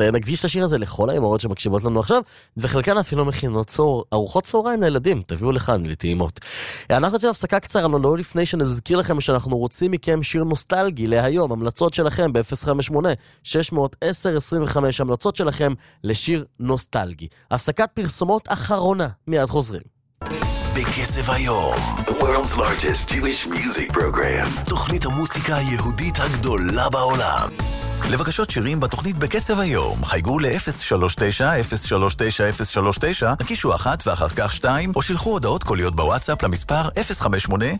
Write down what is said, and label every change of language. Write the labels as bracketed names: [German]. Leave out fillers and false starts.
[Hebrew] נקדיש את השיר הזה לכל האימהות שמקשיבות לנו עכשיו, וחלקן אפילו מכינות ארוחות צהריים לילדים, תביאו לכאן לטעימות. אנחנו עושים הפסקה קצרה, לא לפני שנזכיר לכם שאנחנו רוצים מכם שיר נוסטלגי להיום, המלצות שלכם ב-058-610-25, המלצות שלכם לשיר נוסטלגי. הפסקת פרסומות אחרונה, מיד חוזרים. בקצב היום, [English] the world's largest Jewish music program. [Hebrew] תוכנית המוסיקה היהודית הגדולה בעולם. לבקשות שירים בתוכנית בקצב היום, חייגו ל-039-039-039, נקישו אחת ואחר כך שתיים, או שלחו הודעות קוליות בוואטסאפ למספר 058-610-25.